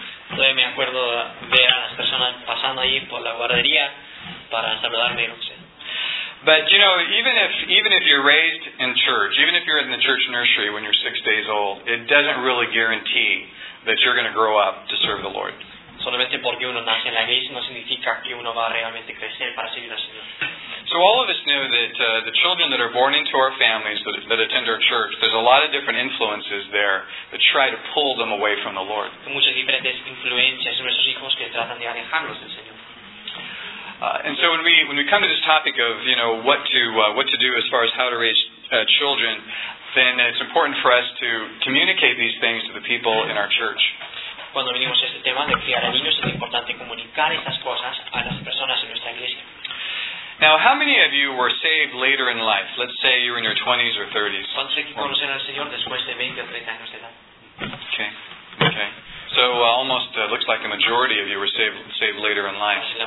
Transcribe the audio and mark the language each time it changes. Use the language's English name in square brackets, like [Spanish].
[Spanish] Todavía me acuerdo ver a las personas pasando ahí por la guardería para saludarme. [English] But you know, even if you're raised in church, even if you're in the church nursery when you're 6 days old, it doesn't really guarantee that you're going to grow up to serve the Lord. [Spanish] Solamente porque uno nace en la iglesia no significa que uno va a realmente crecer para servir al Señor. [English] So all of us know that the children that are born into our families that attend our church, there's a lot of different influences there that try to pull them away from the Lord. [Spanish] Muchas diferentes influencias en nuestros hijos que tratan de alejarlos del Señor. [English] And so when we come to this topic of, you know, what to do as far as how to raise children, then it's important for us to communicate these things to the people in our church. [Spanish] Cuando venimos a este tema de criar a niños, es importante comunicar estas cosas a las personas en nuestra iglesia. [English] Now, how many of you were saved later in life? Let's say you were in your 20s or 30s. [Spanish] ¿Cuántos aquí conocen al Señor después de 20 o 30 años de edad? [English] Okay. So almost looks like a majority of you were saved later in life.